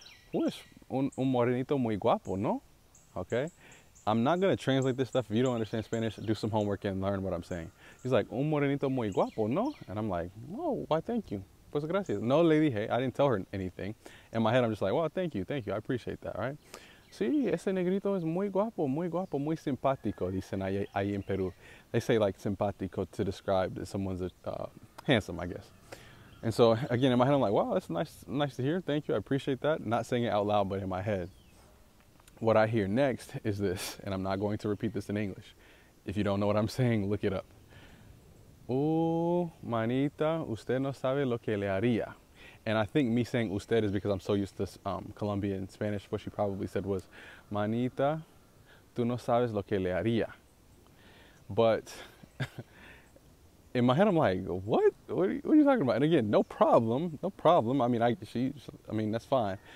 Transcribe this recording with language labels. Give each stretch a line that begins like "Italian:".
Spanish: Pues, un morenito muy guapo, ¿no? Okay?
English: I'm not going to translate this stuff. If you don't understand Spanish, do some homework and learn what I'm saying. He's like,
Spanish: un morenito muy guapo, ¿no?
English: And I'm like, no, why thank you?
Spanish: Pues gracias. No le dije.
English: I didn't tell her anything. In my head, I'm just like, well, thank you. I appreciate that, right?
Spanish: Sí, ese negrito es muy guapo, muy simpático, dicen ahí en Peru.
English: They say like simpático to describe that someone's handsome, I guess. And so again, in my head, I'm like, wow, that's nice to hear. Thank you. I appreciate that. Not saying it out loud, but in my head. What I hear next is this, and I'm not going to repeat this in English. If you don't know what I'm saying, look it up.
Spanish: Oh, manita, usted no sabe lo que le haría.
English: And I think me saying usted is because I'm so used to Colombian Spanish. What she probably said was,
Spanish: manita, tú no sabes lo que le haría.
English: But in my head, I'm like, what? What are you talking about? And again, no problem. I mean, I mean, that's fine.